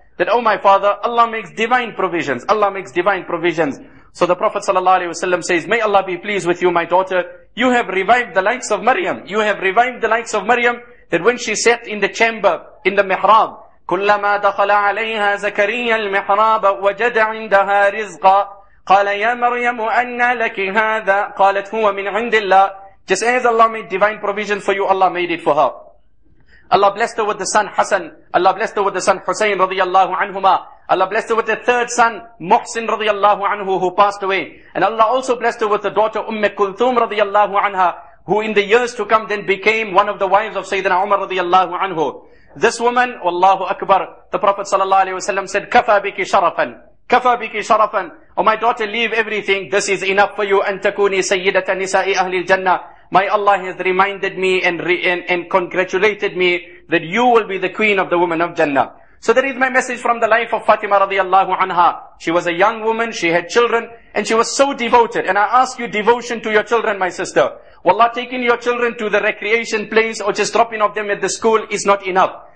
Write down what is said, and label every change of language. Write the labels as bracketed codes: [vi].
[en] That, oh my father, Allah makes divine provisions. Allah makes divine provisions. So the Prophet sallallahu alaihi wasallam says, may Allah be pleased with you, my daughter. You have revived the likes of Maryam. You have revived the likes of Maryam, that when she sat in the chamber, in the mihrab, [ar] kullama dakhala alayha zakariya al-mihrab wajada 'indaha rizqa. قال يا مريم أن لك هذا قالت هو من عند الله. [en] Just as Allah made divine provision for you, Allah made it for her. Allah blessed her with the son Hassan. Allah blessed her with the son Hussein radiyallahu anhuma. Allah blessed her with the third son Muhsin radiyallahu anhu, who passed away. And Allah also blessed her with the daughter Umme Kulthum radiyallahu anha, who in the years to come then became one of the wives of Sayyidina Umar radiyallahu anhu. This woman, Wallahu Akbar, the Prophet sallallahu alayhi wasallam said, [ar] كفى بك شرفا. كفى بك شرفا. [en] Oh my daughter, leave everything. This is enough for you. [ar] أنتكوني سيدة نساء أهل الجنة. [en] My Allah has reminded me and congratulated me that you will be the queen of the women of Jannah. So that is my message from the life of Fatima radiallahu anha. She was a young woman. She had children and she was so devoted. And I ask you devotion to your children, my sister. Wallah, taking your children to the recreation place or just dropping off them at the school is not enough.